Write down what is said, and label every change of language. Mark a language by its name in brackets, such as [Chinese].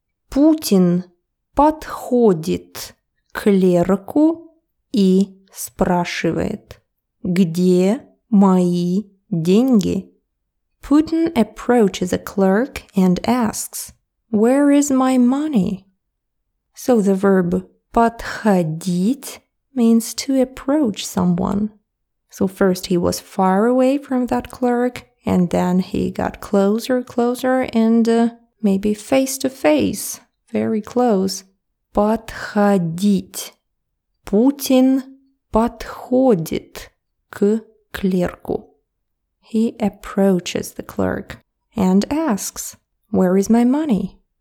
[Russian] Путин подходит к клерку и спрашивает, где мои деньги. [English] Putin approaches a clerk and asks, where is my money? So the verb подходить means to approach someone. So first he was far away from that clerk, and then he got closer, and maybe face to face, very close. [Russian] Подходить. Путин подходит к клерку. [English] He approaches the clerk and asks, where is my money?